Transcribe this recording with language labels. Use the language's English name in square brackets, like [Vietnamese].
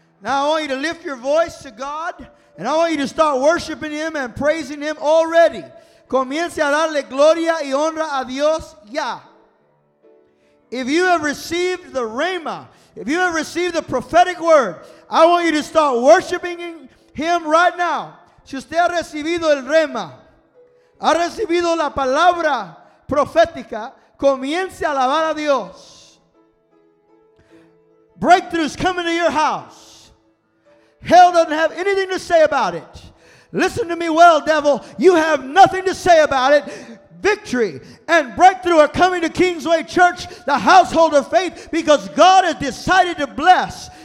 [English] Now I want you to lift your voice to God, and I want you to start worshiping him and praising him already. [Spanish] Comience a darle gloria y honra a Dios ya. [English] If you have received the rhema, if you have received the prophetic word, I want you to start worshiping him right now. [Spanish] Si usted ha recibido el rhema, ha recibido la palabra profética, comience a alabar a Dios. [English] Breakthroughs come into your house. Hell doesn't have anything to say about it. Listen to me well, devil. You have nothing to say about it. Victory and breakthrough are coming to Kingsway Church, the household of faith, because God has decided to bless.